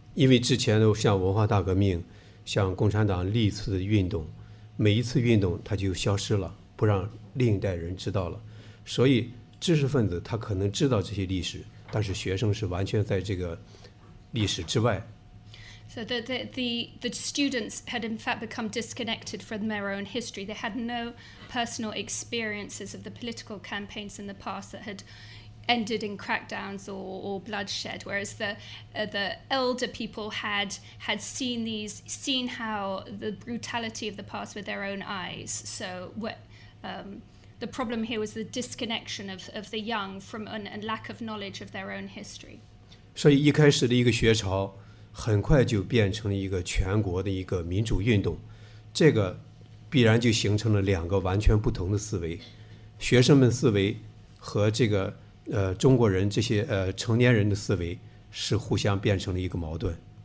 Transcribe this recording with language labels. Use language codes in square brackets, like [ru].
[zh] 因为之前的像文化大革命，像共产党历次的运动，每一次运动它就消失了，不让另一代人知道了。所以知识分子他可能知道这些历史，但是学生是完全在这个。 [en] So the students had in fact become disconnected from their own history. They had no personal experiences of the political campaigns in the past that had ended in crackdowns or bloodshed. Whereas the elder people had seen how the brutality of the past with their own eyes. So what the problem here was the disconnection of the young from and lack of knowledge of their own history. [zh] 所以一开始的一个学潮很快就变成了一个全国的一个民主运动，这个必然就形成了两个完全不同的思维，学生们思维和这个中国人这些成年人的思维是互相变成了一个矛盾。